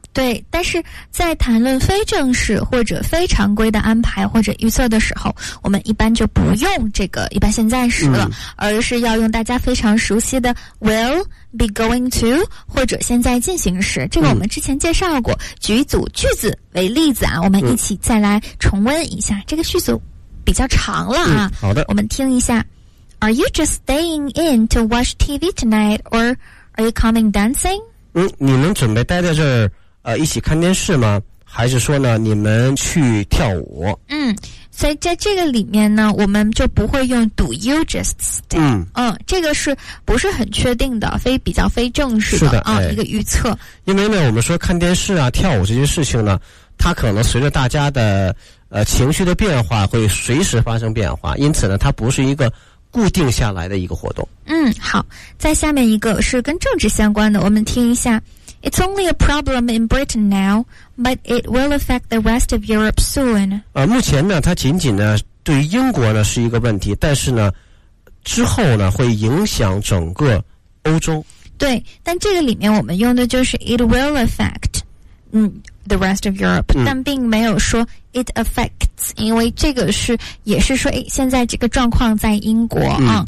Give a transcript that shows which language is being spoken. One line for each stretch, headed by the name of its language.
Chinese: 对，但是在谈论非正式或者非常规的安排或者预测的时候，我们一般就不用这个一般现在时了、嗯、而是要用大家非常熟悉的 will be going to 或者现在进行时，这个我们之前介绍过、嗯、举一组句子为例子啊，我们一起再来重温一下、嗯、这个句子比较长了啊、嗯、好的，我们听一下。
English: Are you just staying in to watch TV tonight or are you coming dancing?
Chinese: 嗯，你们准备待在这儿一起看电视吗？还是说呢，你们去跳舞？嗯，所以在这个里面呢，我们就不会用
English: Do you just stay? 嗯
Chinese: 嗯，这个是不是很确定的？非比较非正式的啊、哎，一个预测。因为呢，我们说看电视啊、跳舞这些事情呢，它可能随着大家的情绪的变化，会随时发生变化。因此呢，它不是一个固定下来的一个活动。嗯，好，在下面一个是跟政治相关的，我们听一下。
English: It's only a problem in Britain now, but it will affect the rest of Europe soon.
Chinese: 目前呢，它仅仅呢对于英国呢是一个问题，但是呢，之后呢会影响整个欧洲。对，但这个里面我们用的就是
English: it will affect, the rest of Europe,、嗯、
Chinese: 但并没有说
English: it affects,
Chinese: 因为这个是也是说，哎，现在这个状况在英国啊、